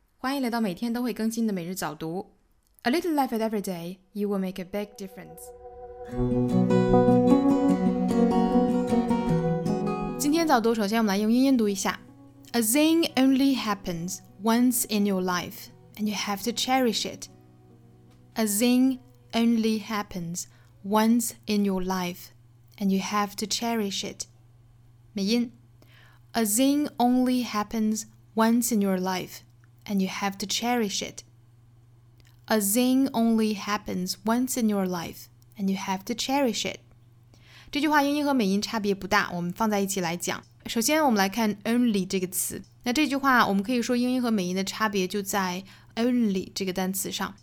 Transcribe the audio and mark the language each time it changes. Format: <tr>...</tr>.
<zh>欢迎来到每天都会更新的每日早读。</zh> <en>A little life at every day, you will make a big difference.</en> <zh>今天早读，首先我们来用英音读一下。</zh> <en>A thing only happens once in your life, and you have to cherish it. A thing only happens once in your life, and you have to cherish it.</en> <zh>美音。</zh> <en>A thing only happens once in your life, and you have to cherish it. A thing only happens once in your life, and you have to cherish it.</en> <zh>这句话英音和美音差别不大，我们放在一起来讲。首先我们来看 only 这个词。那这句话我们可以说英音和美音的差别就在 only 这个单词上。</zh>